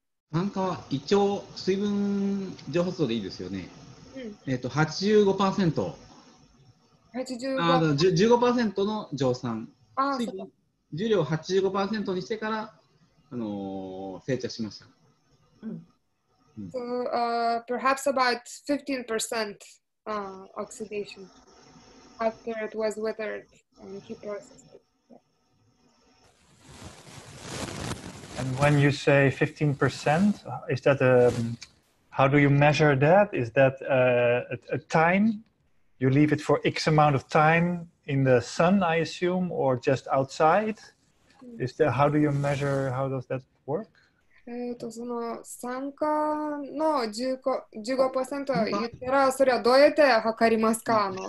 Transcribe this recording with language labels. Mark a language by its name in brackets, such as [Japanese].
[Japanese] 酸化は一応水分蒸発度でいいですよね。うん。 85%。 85%。 15% の蒸酸。あ、そうか。重量 85% にしてから、成茶しました。 [English] So, perhaps about 15% oxidation after it was withered and he processed it. And when you say 15%, is that how do you measure that? Is that a time? You leave it for X amount of time in the sun, I assume, or just outside? Is that, how do you measure, how does that work? [Japanese] その酸化の 15% 言ったら、それはどうやって測りますか？